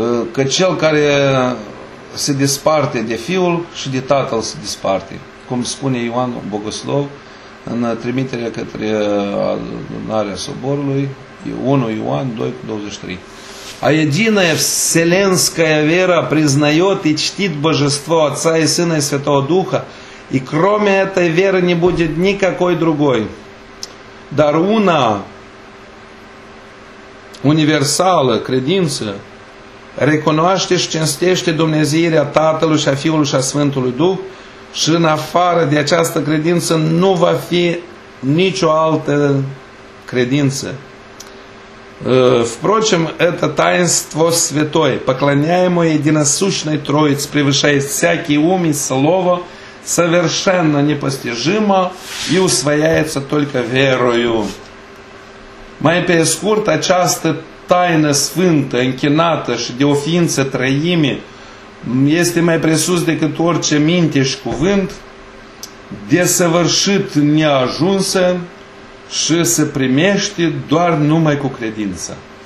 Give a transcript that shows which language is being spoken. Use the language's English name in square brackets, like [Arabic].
[Romanian] Că cel care se desparte de Fiul și de Tatăl se desparte. Cum spune Ioan Bogoslov în trimiterea către adunarea Soborului, 1 Ioan 2,23. [Russian] А единая вселенская вера признает и чтит Божество Отца и Сына и Святого Духа, и кроме этой веры не будет никакой другой. [Romanian] Dar una universală, credință, recunoaște și cinstește Dumnezeirea Tatălui și a Fiului și a Sfântului Duh și în afară de această credință nu va fi nicio altă credință. [Russian] Впрочем, это таинство святое, поклоняемое единосущной Троице, превышает всякий ум и слово, совершенно непостижимо и усвояется только верою. [Romanian] Mai pe scurt, această taină sfântă, închinată și de o ființă trăime, este mai presus decât orice minte și cuvânt, desăvârșit neajunsă, și se primește doar numai cu credință.